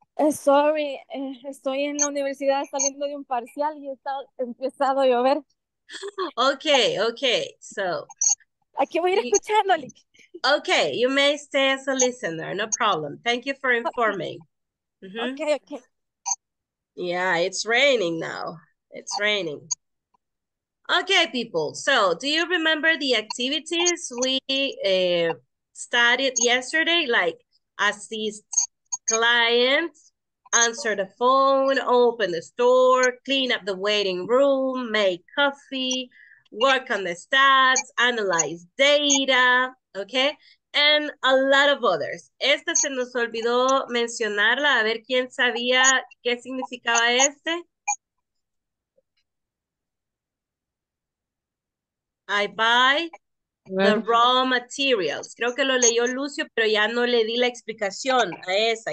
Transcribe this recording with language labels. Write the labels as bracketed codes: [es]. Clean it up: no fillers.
[es] Sorry, estoy en la universidad saliendo de un parcial y está empezado a llover. [en] Okay, okay, so. [es] Aquí voy a ir escuchando. [en] Okay, you may stay as a listener, no problem. Thank you for informing. Mm-hmm. Okay, okay. Yeah, it's raining now. It's raining. Okay, people, so do you remember the activities we studied yesterday, like assist clients, answer the phone, open the store, clean up the waiting room, make coffee, work on the stats, analyze data, okay? And a lot of others. [es] Esta se nos olvidó mencionarla, a ver quién sabía qué significaba este. [en] I buy the raw materials. [es] Creo que lo leyó Lucio, pero ya no le di la explicación a esa.